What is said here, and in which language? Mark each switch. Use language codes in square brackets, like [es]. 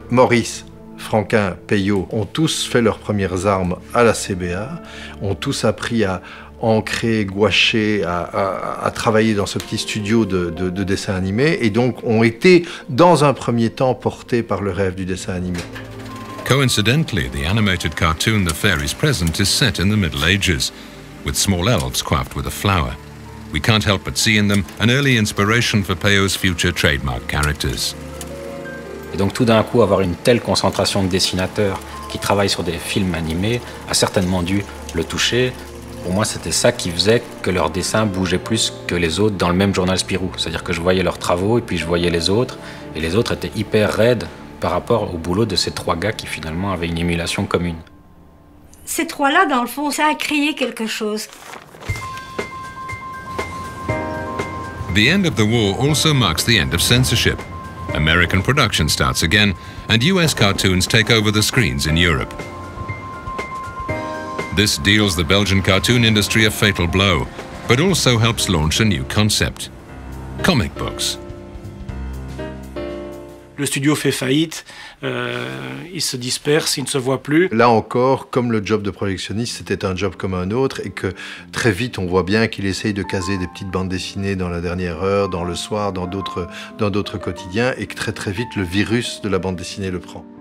[fr] Maurice, Franquin, Peyo ont tous fait leurs premières armes à la CBA, ont tous appris à ancré, gouaché, à travailler dans ce petit studio de dessin animé, et donc ont été, dans un premier temps, portés par le rêve du dessin animé. [en] Coincidentally, the animated cartoon The Fairies Present is set in the Middle Ages, with small elves coiffed with a flower. We can't help but see in them an early inspiration for Peyo's future trademark characters. [fr] Et donc tout d'un coup, avoir une telle concentration de dessinateurs qui travaillent sur des films animés a certainement dû le toucher. Pour moi, c'était ça qui faisait que leurs dessins bougeaient plus que les autres dans le même journal Spirou. C'est-à-dire que je voyais leurs travaux et puis je voyais les autres. Et les autres étaient hyper raides par rapport au boulot de ces trois gars qui finalement avaient une émulation commune. Ces trois-là, dans le fond, ça a créé quelque chose. [en] The end of the war also marks the end of censorship. American production starts again and US cartoons take over the screens in Europe. This deals the Belgian cartoon industry a fatal blow, but also helps launch a new concept. Comic books. [fr] Le studio fait faillite, il se disperse, il ne se voit plus. Là encore, comme le job de projectionniste, c'était un job comme un autre, et que très vite, on voit bien qu'il essaye de caser des petites bandes dessinées dans la dernière heure, dans le soir, dans d'autres quotidiens, et que très très vite, le virus de la bande dessinée le prend.